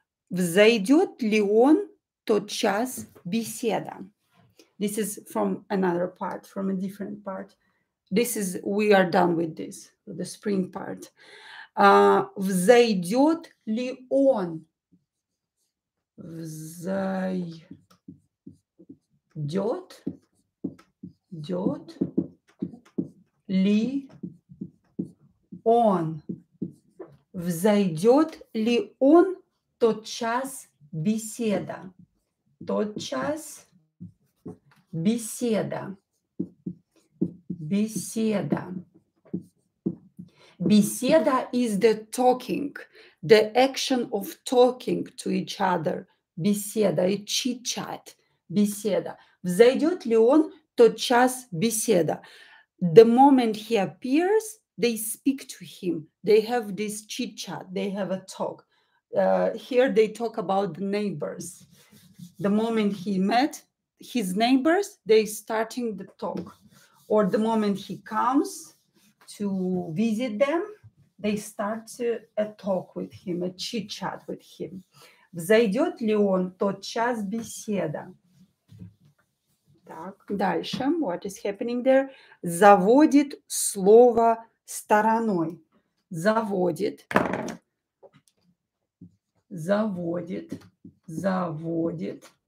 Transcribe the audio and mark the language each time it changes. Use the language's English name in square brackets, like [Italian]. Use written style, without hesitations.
[Russian] Взойдет ли он тотчас беседа? [English] This is from another part, from a different part. This is, we are done with this, the spring part. [Russian] Взойдет ли он? Взойдет ли он? Взойдет ли он тотчас беседа? Тотчас беседа. Беседа. [English] Беседа is the talking, the action of talking to each other. [Russian] Беседа, и chit-chat. Беседа. Взойдет ли он тотчас беседа? [English] The moment he appears, they speak to him. They have this chit-chat, they have a talk. Here they talk about the neighbors. The moment he met his neighbors, they starting the talk. Or the moment he comes to visit them, they start a talk with him, a chit-chat with him. [Russian] Взойдет ли он тотчас беседа? Так, дальше. [English] What is happening there? [Russian] Заводит слово стороной. Заводит. Заводит. Заводит.